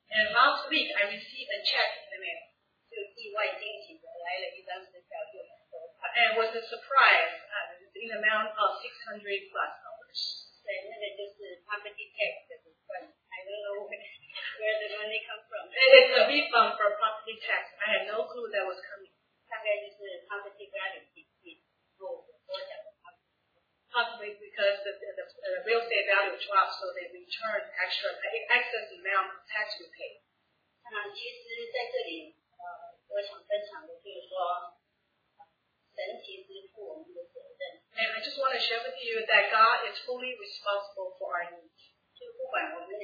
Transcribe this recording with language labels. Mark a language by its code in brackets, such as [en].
[en] And last week I received a check in the mail. [zh] 就意外惊喜的来了一张支票，就很多。 [en] And it was a surprise, in the amount of $600+. [zh] 对，那个就是 property tax 的部分。 [en] I don't know where the money comes from. It is a refund for property tax. I had no clue that was coming. [zh] 大概就是 property value 比我所讲的 [en] Possibly because the real estate value dropped, so they returned excess amount of tax we paid. [zh] 其实在这里，我想分享的就是说，神其实负我们的责任。 [en] And I just want to share with you that God is fully responsible for our needs.